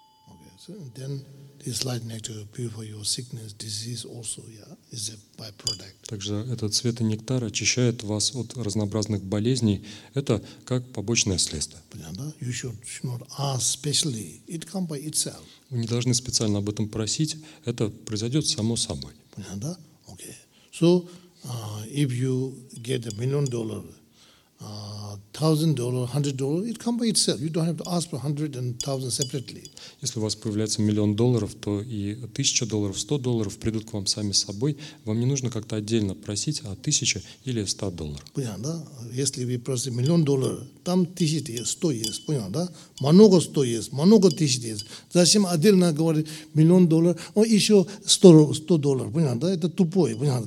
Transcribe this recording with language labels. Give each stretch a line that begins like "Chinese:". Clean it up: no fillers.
English: Okay, so then this lightning to appear for your sickness, disease also, yeah, is a byproduct.
Russian: Также этот цвет и нектар очищает вас от разнообразных болезней. Это как побочное следствие.
English: Понятно? You should not ask specially. It comes by itself.
Russian: Вы не должны специально об этом просить, это произойдет само собой. Понятно, да? Окей.
English: So, if you get $1 million, $1,000, $100, it comes by itself. You don't have to ask for $100 and $1,000 separately.
Russian: Если у вас появляется $1 million, то и $1,000, $100 придут к вам сами собой. Вам не нужно как-то отдельно просить о тысяче или $100. Понятно, да? Если вы просите $1 million, там тысяча есть, сто есть, понятно, да? Много сто есть, много тысяч есть. Зачем отдельно говорить $1 million, он еще $100, понятно, да? Это тупой, понятно?